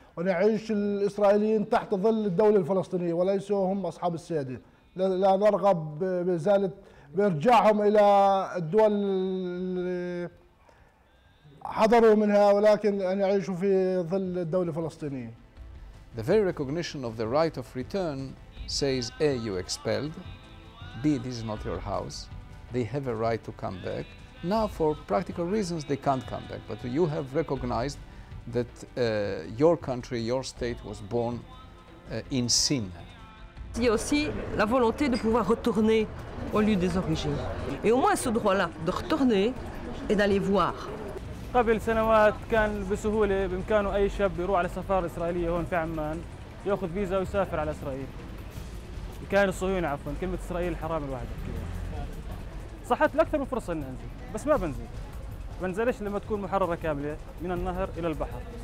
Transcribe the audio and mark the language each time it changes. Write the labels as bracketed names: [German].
[Arabic] ونعيش الإسرائيليين تحت ظل الدولة الفلسطينية وليسوا هم أصحاب السيادة. لا نرغب بزالة بإرجاعهم إلى الدول اللي حضروا منها ولكن أن يعيشوا في ظل الدولة الفلسطينية. [English] The very recognition of the right of return says A, you expelled, B, this is not your house, they have a right to come back. Now for practical reasons they can't come back, but you have recognized that your country, your state was born in sin. [French] Il y a aussi la volonté de pouvoir retourner au lieu des origines. Et au moins ce droit-là, de retourner et d'aller voir. [Arabic] قبل سنوات كان بسهولة بإمكانه أي شاب يروح على سفارة إسرائيلية هون في عمان يأخذ فيزا ويسافر على إسرائيل. كان الصهيوني عفوا كلمة إسرائيل حرام الواحد يحكيها. صحت لأكثر من فرصة إني أنزل، بس ما بنزل. بنزلش لما تكون محررة كاملة من النهر إلى البحر.